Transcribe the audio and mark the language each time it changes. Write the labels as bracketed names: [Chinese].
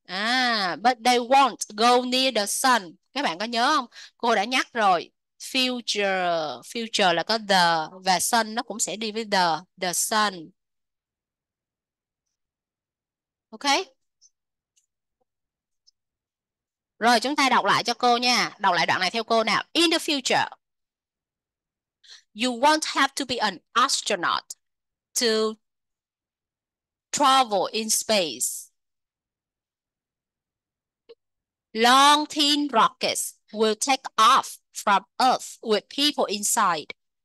[English] À, but they won't go near the sun. [Vietnamese] Các bạn có nhớ không? Cô đã nhắc rồi. Future. Future là có the. Và sun nó cũng sẽ đi với the sun. Ok. Rồi chúng ta đọc lại cho cô nha. Đọc lại đoạn này theo cô nào. [English] In the future, you won't have to be an astronaut to travel in space. Long thin rockets will take off from Earth with people inside.